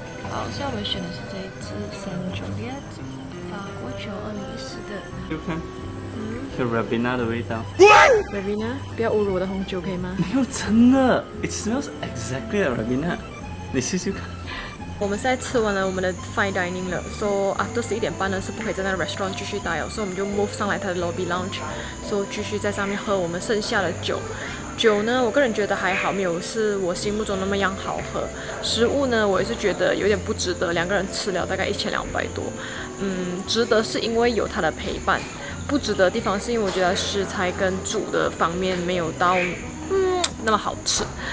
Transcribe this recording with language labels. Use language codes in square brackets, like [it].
[zh] 好，现在我们选的是这一支 Saint Juliet 法国酒2014的。 [en] You can， [zh] 是 Rabina 的味道。 Rabina， 不要侮辱我的红酒，可以吗？没有，真的 [en] ，It smells exactly like Rabina。 [zh] 你试试看。我们现在吃完了我们的 fine dining 了 ， [en] so after [zh] 11:30呢是不可以在那个 restaurant 继续待了，所以我们就 move 上来他的 lobby lounge， 所以继续在上面喝我们剩下的酒。酒呢，我个人觉得还好，没有是我心目中那么样好喝。食物呢，我也是觉得有点不值得，两个人吃了大概1200多，值得是因为有他的陪伴，不值得的地方是因为我觉得食材跟煮的方面没有到那么好吃。